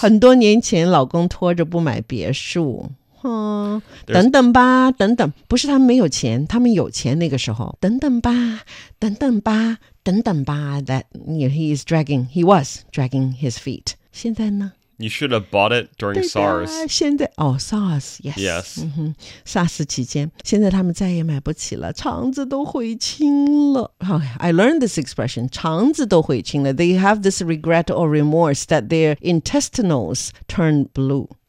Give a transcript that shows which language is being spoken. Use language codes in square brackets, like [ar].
[zh] 很多年前老公拖着不买别墅。等等吧，等等，不是他们没有钱，他们有钱那个时候。等等吧，等等吧，等等吧。 [en] That you know, he was dragging his feet. [zh] 现在呢？ [en] You should have bought it during SARS. [zh] 现在哦 ，SARS, [en] yes. Yes. [zh] SARS 期间，现在他们再也买不起了，肠子都悔青了。 [en] Okay, I learned this expression, [zh] 肠子都悔青了。 [en] They have this regret or remorse that their intestines turn blue.